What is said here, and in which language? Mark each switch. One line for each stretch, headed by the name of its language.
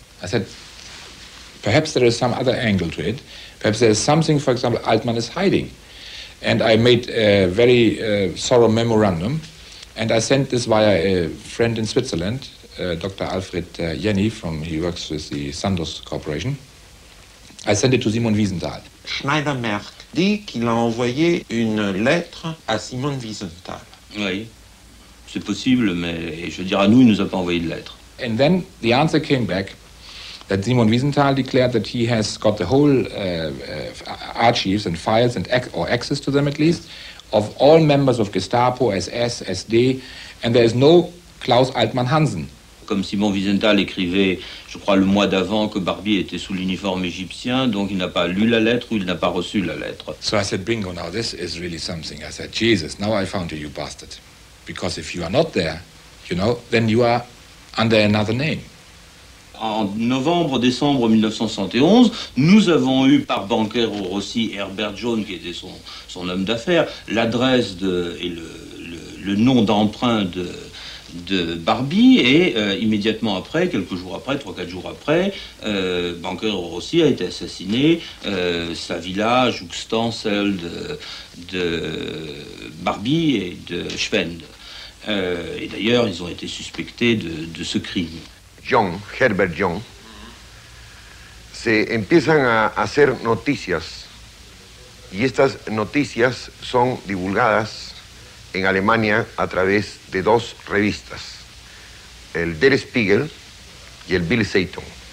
English: I said, perhaps there is some other angle to it. Perhaps there is something, for example, Altman is hiding. And I made a very thorough memorandum. And I sent this via a friend in Switzerland, Dr. Alfred Jenny, from he works with the Sandoz Corporation. I sent it to Simon Wiesenthal.
French: Schneider-Merck dit qu'il a envoyé une lettre à Simon Wiesenthal. Oui, c'est possible, mais je veux dire, à nous, il ne nous a pas envoyé de lettre.
English: And then the answer came back that Simon Wiesenthal declared that he has got the whole archives and files and or access to them at least. Yes. Of all members of Gestapo, SS, SD, and there is no Klaus Altmann Hansen.
French: Comme Simon Wiesenthal écrivait, je crois, le mois d'avant que Barbier était sous l'uniforme égyptien, donc il n'a pas lu la lettre ou il n'a pas reçu la lettre.
English: So I said, bingo, now this is really something. I said, Jesus, now I found you, you bastard. Because if you are not there, you know, then you are under another name.
French: en novembre-décembre 1971, nous avons eu par Banquero Rossi, Herbert Jones, qui était son homme d'affaires, l'adresse et le nom d'emprunt de Barbie, et immédiatement après, quelques jours après, 3-4 jours après, Banquero Rossi a été assassiné, sa villa jouxtant celle de Barbie et de Schwend. Et d'ailleurs, ils ont été suspectés de ce crime.
Spanish: John, Herbert John, se empiezan a hacer noticias, y estas noticias son divulgadas en Alemania a través de dos revistas, el Der Spiegel y el Bild Zeitung.